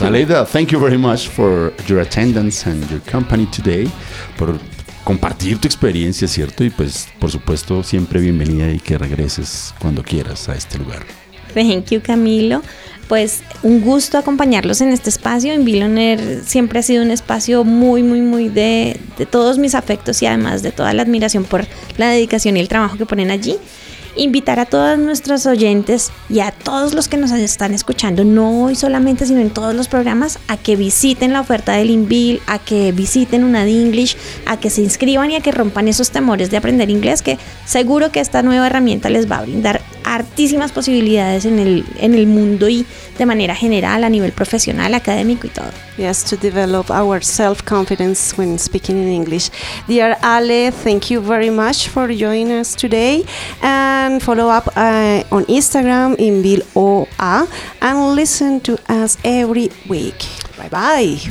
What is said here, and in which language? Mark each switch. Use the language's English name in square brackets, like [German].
[English] Aleida, thank you very much for your attendance and your company today. [Spanish] Por compartir tu experiencia, ¿cierto? Y pues, por supuesto, siempre bienvenida y que regreses cuando quieras a este lugar. [English] Thank you, Camilo. [Spanish] Pues, un gusto acompañarlos en este espacio. En Billionaire siempre ha sido un espacio muy, muy, muy de todos mis afectos y además de toda la admiración por la dedicación y el trabajo que ponen allí. invitar a todos nuestros oyentes y a todos los que nos están escuchando, no hoy solamente, sino en todos los programas, a que visiten la oferta del INVIL, a que visiten UNAD English, a que se inscriban y a que rompan esos temores de aprender inglés, que seguro que esta nueva herramienta les va a brindar hartísimas posibilidades en el mundo y de manera general, a nivel profesional, académico y todo. [English] Yes, to develop our self-confidence when speaking in English. Dear Ale, thank you very much for joining us today. And follow up on Instagram, INVILOA, and listen to us every week. Bye-bye.